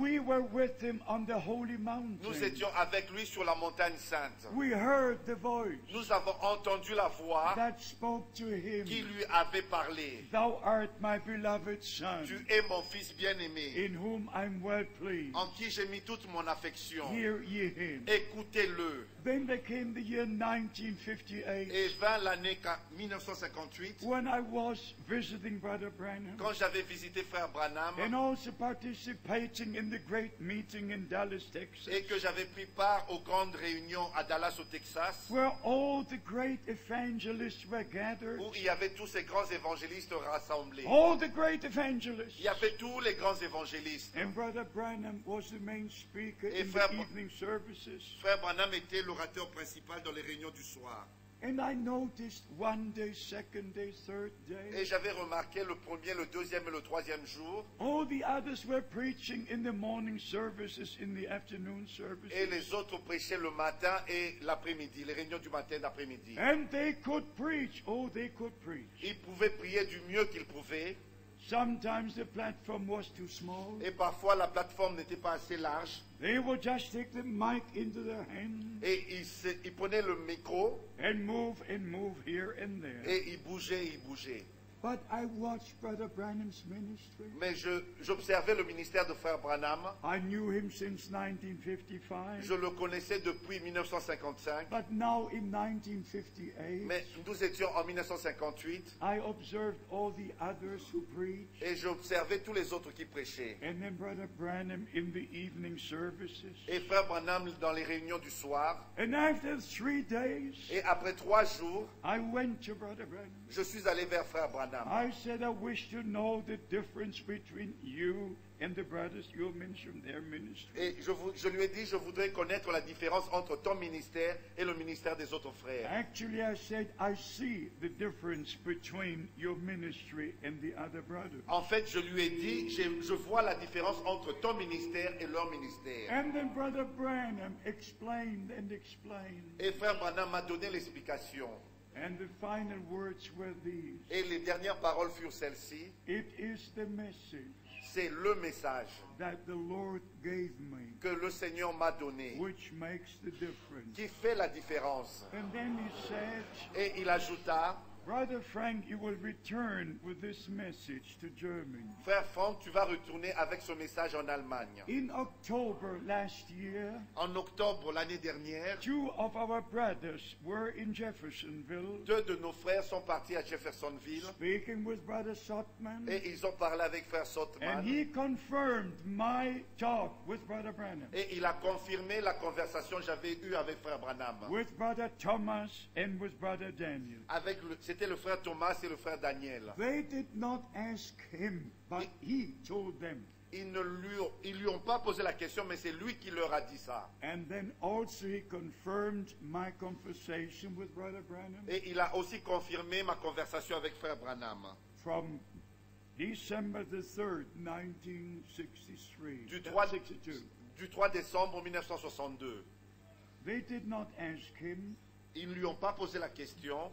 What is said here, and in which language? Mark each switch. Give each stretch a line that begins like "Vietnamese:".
English: we were with him on the holy mountain.
French: Nous étions avec lui sur la montagne sainte.
English: We heard the voice,
French: nous avons entendu la voix
English: that spoke to him,
French: qui lui avait parlé.
English: Thou art my beloved son,
French: tu es mon fils bien-aimé,
English: in whom I'm well pleased,
French: en qui j'ai mis toute mon affection.
English: Hear ye him.
French: Écoutez-le.
English: Then became the year 1958.
French: Et vint l'année 1958.
English: When I was visiting Brother Branham.
French: Quand j'avais visité Frère Branham.
English: And also participating in the great meeting in Dallas, Texas.
French: Et que j'avais pris part aux grandes réunions à Dallas, au Texas.
English: Where all the great evangelists were gathered.
French: Où il y avait tous ces grands évangélistes rassemblés.
English: All the great evangelists.
French: Il y avait tous les grands évangélistes.
English: And Brother Branham was the main speaker in the evening services.
French: Frère Branham était l'orateur principal dans les réunions du soir.
English: And I noticed one day, second day, third day,
French: et j'avais remarqué le premier, le deuxième et le troisième jour.
English: All the others were preaching in the morning services, in the afternoon services.
French: Et les autres prêchaient le matin et l'après-midi, les réunions du matin et l'après-midi.
English: And they could preach. Oh, they could preach.
French: Ils pouvaient prier du mieux qu'ils pouvaient.
English: Sometimes the platform was too small.
French: Et parfois la plateforme n'était pas assez large.
English: They would just take the mic into their hand.
French: Et ils prenaient le micro.
English: And move here and there.
French: Et ils bougeaient.
English: But I watched Brother Branham's ministry.
French: Mais j'observais le ministère de Frère Branham.
English: I knew him since 1955.
French: Je le connaissais depuis 1955.
English: But now in 1958.
French: Mais nous étions en 1958.
English: I observed all the others who preached.
French: Et j'observais tous les autres qui prêchaient.
English: And then Brother Branham in the evening services.
French: Et Frère Branham dans les réunions du soir.
English: And after 3 days.
French: Et après 3 jours.
English: I went to Brother Branham.
French: Je suis allé vers Frère Branham.
English: I said I wish to know the difference between you and the brothers you mentioned their ministry.
French: Et je lui ai dit je voudrais connaître la différence entre ton ministère et le ministère des autres frères.
English: Actually, I said I see the difference between your ministry and the other brothers.
French: En fait, je lui ai dit je vois la différence entre ton ministère et leur ministère.
English: And then Brother Branham explained and explained.
French: Et Frère Branham m'a donné l'explication.
English: And the final words were these.
French: Et les dernières paroles furent celles-ci.
English: It is the message.
French: C'est le message.
English: That the Lord gave me.
French: Que le Seigneur m'a donné.
English: Which makes the difference.
French: Qui fait la différence.
English: And then he said.
French: Et il ajouta.
English: Brother Frank, you will return with this message to Germany.
French: Frère Frank, tu vas retourner avec ce message en Allemagne.
English: In October last year,
French: en octobre l'année dernière,
English: 2 of our brothers were in Jeffersonville.
French: 2 de nos frères sont partis à Jeffersonville.
English: Speaking with Brother Sotman,
French: et ils ont parlé avec Frère Sotman.
English: And he confirmed my talk with Brother Branham.
French: Et il a confirmé la conversation que j'avais eue avec Frère Branham.
English: With Brother Thomas and with Brother Daniel.
French: Avec c'était le frère Thomas et le frère Daniel.
English: They did not ask him, but he told them.
French: Ils lui ont pas posé la question, mais c'est lui qui leur a dit ça.
English: And then also he confirmed my conversation with Brother Branham.
French: Et il a aussi confirmé ma conversation avec Frère Branham.
English: From December 3, 1962. They did not ask him.
French: Ils ne lui ont pas posé la question.